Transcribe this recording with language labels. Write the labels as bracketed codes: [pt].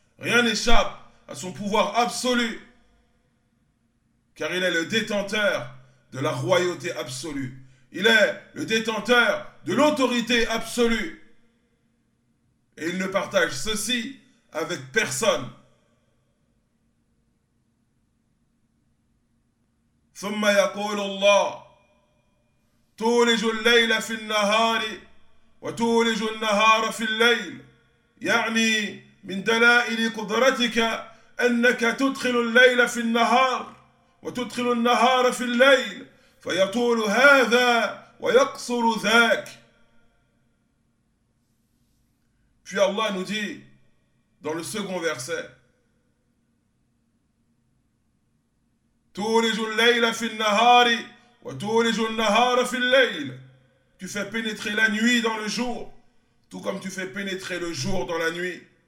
[fr] Rien n'échappe à son pouvoir absolu. Car il est le détenteur de la royauté absolue. Il est le détenteur de l'autorité absolue. Et il ne partage ceci avec personne. [ar] ثم يقول الله تولج الليل في النهار وتولج النهار في الليل يعني من دلائل قدرتك أنك تدخل الليل في النهار وتدخل النهار في الليل فيطول هذا ويقصر ذاك. [fr] Puis Allah nous dit dans le second verset: [ar] تولج الليل في النهار وتولج النهار في الليل. [fr] Tu fais pénétrer la nuit dans le jour, tout comme tu fais pénétrer le jour dans la nuit.